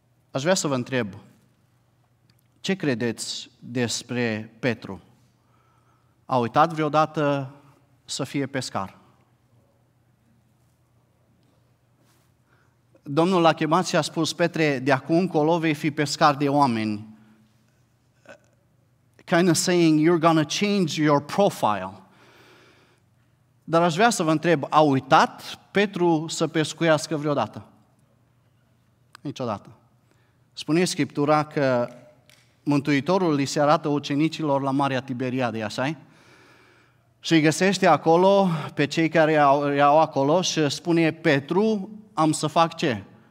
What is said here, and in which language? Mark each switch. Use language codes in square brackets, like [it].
[ro] Aș vrea să vă întreb, ce credeți despre Petru? A uitat vreodată să fie pescar? Domnul l-a chemat și a spus, Petre, de acum încolo vei fi pescar de oameni. [en] Kind of saying, you're gonna change your profile. [ro] Dar aș vrea să vă întreb, a uitat Petru să pescuiască vreodată? Niciodată. Spune Scriptura că Mântuitorul li se arată ucenicilor la Marea Tiberiade, așa-i? Și îi găsește acolo, pe cei care erau acolo, și spune, Petru, am să fac ce?